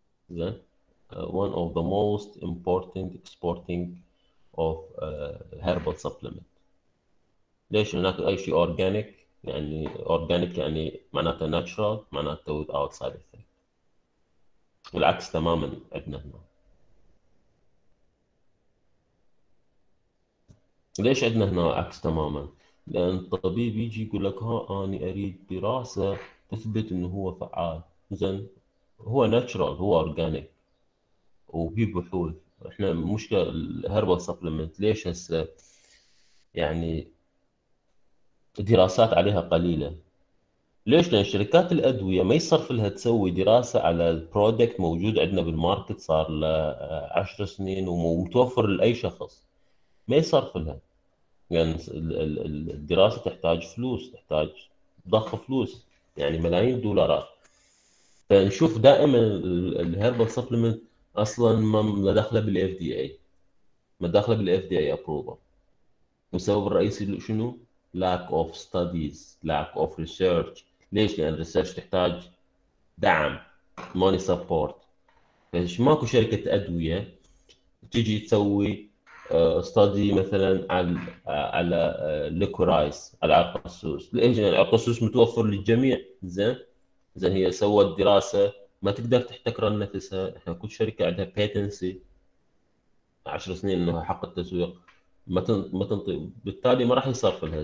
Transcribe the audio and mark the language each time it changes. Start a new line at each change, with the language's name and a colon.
English: زين one of the most important exporting of herbal supplement.
Arabic: ليش؟ هناك اي شيء اورجانيك، يعني اورجانيك يعني معناته ناتشرال، معناته
English: without side effect.
Arabic: والعكس تماما عندنا هنا. ليش عندنا هنا عكس تماما؟ لان الطبيب يجي يقول لك ها اني اريد دراسه تثبت انه هو فعال. زين هو ناتشرال، هو اورجانيك وفي بحوث، احنا مشكلة الهربال سبلمنت ليش هسه يعني دراسات عليها قليلة؟ ليش؟ لأن شركات الأدوية ما يصرف لها تسوي دراسة على البرودكت موجود عندنا بالماركت صار لعشر سنين ومتوفر لأي شخص، ما يصرف لها، يعني الدراسة تحتاج فلوس، تحتاج ضخ فلوس يعني ملايين الدولارات. فنشوف دائما الهيربال سبلمنت اصلا ما داخله بالاف دي اي، ما داخله بالاف دي اي ابروفال. والسبب الرئيسي شنو؟
English: lack of studies، lack of research.
Arabic: ليش؟ لان الريسيرش تحتاج دعم،
English: money support.
Arabic: فش ماكو شركه ادويه تجي تسوي ستادي مثلا على الليكورايز، على عرق السوس. ليش؟ لان عرق السوس متوفر للجميع. زين هي سوت دراسه ما تقدر تحتكر نفسها، احنا كل شركه عندها بيتنسي 10 سنين انه حق التسويق ما تنطي، بالتالي ما راح يصرف لها.